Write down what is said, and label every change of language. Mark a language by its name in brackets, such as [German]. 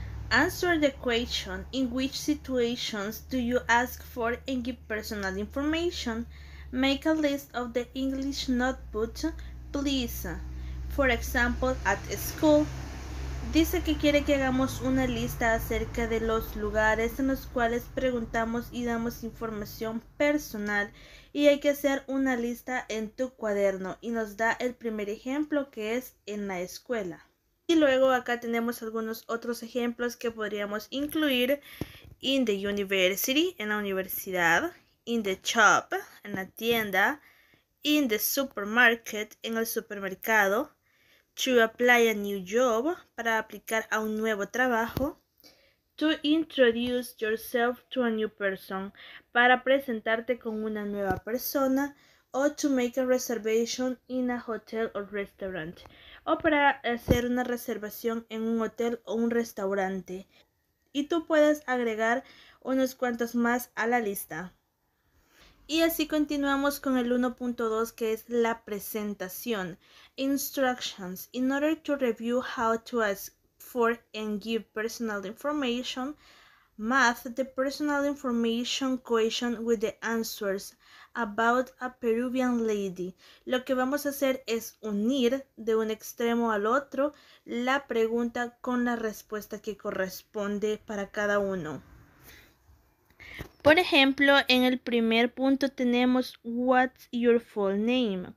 [English] Answer the question, in which situations do you ask for and give personal information? Make a list of the English notebook, please. For example, at school. [Spanish] Dice que quiere que hagamos una lista acerca de los lugares en los cuales preguntamos y damos información personal y hay que hacer una lista en tu cuaderno y nos da el primer ejemplo que es en la escuela. Y luego acá tenemos algunos otros ejemplos que podríamos incluir [English] in the university, [Spanish] en la universidad, [English] in the shop, [Spanish] en la tienda, [English] in the supermarket, [Spanish] en el supermercado. [English] To apply a new job, [Spanish] para aplicar a un nuevo trabajo. [English] To introduce yourself to a new person, [Spanish] para presentarte con una nueva persona. [English] O to make a reservation in a hotel or restaurant. [Spanish] O para hacer una reservación en un hotel o un restaurante. Y tú puedes agregar unos cuantos más a la lista. Y así continuamos con el 1.2 que es la presentación. [English] Instructions. In order to review how to ask for and give personal information, math the personal information question with the answers about a Peruvian lady. [Spanish] Lo que vamos a hacer es unir de un extremo al otro la pregunta con la respuesta que corresponde para cada uno. Por ejemplo, en el primer punto tenemos [English] What's your full name?